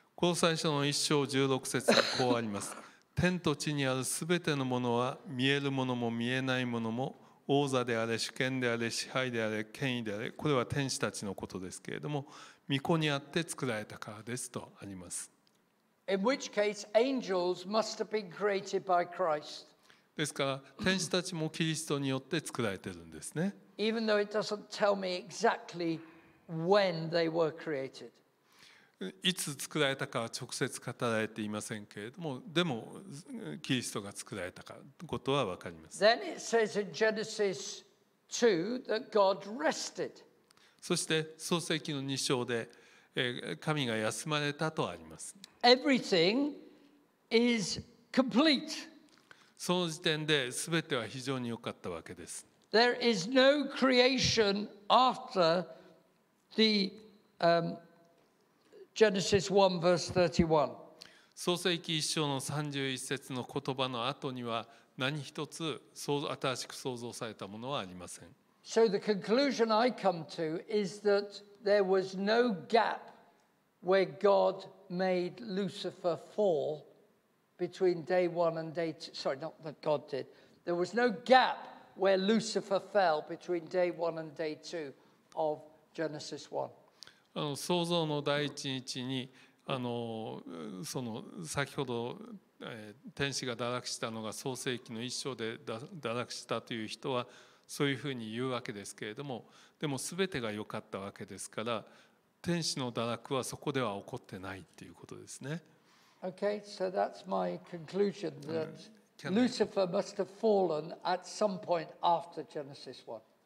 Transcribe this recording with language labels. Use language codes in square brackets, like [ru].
[ja] 公最初の1章16節にこうあります。天と地にあるすべてのものは、見えるものも見えないものも、王座であれ、主権であれ、支配であれ、権威であれ、これは天使たちのことですけれども、御子にあって作られたからですとあります。 [en] In which case, angels must have been created by Christ. [ja] ですから天使たちもキリストによって作られているんですね。 [en] Even though it doesn't tell me exactly when they were created. [ja] いつ作られたかは直接語られていませんけれども、でもキリストが作られたかことはわかります。 [en] Then it says in Genesis 2 that God rested. [ja] そして創世記の2章で神が休まれたとあります。 [en] Everything is complete. [ja] その時点で全ては非常に良かったわけです。 [en] There is no creation after the Genesis 1 verse 31. [ja] 創世記1章の31節の言葉の後には何一つ新しく創造されたものはありません。 [en] So the conclusion I come to is that there was no gap where God made Lucifer fall. Between day one and day two, sorry, not that God did. There was no gap where Lucifer fell between day one and day two of Genesis 1. [ja] 創造の第一日に、その先ほど、天使が堕落したのが創世記の一章で堕落したという人はそういうふうに言うわけですけれども、でも全てが良かったわけですから、天使の堕落はそこでは起こってないということですね。 [en] Okay, so that's my conclusion that Lucifer must have fallen at some point after Genesis 1.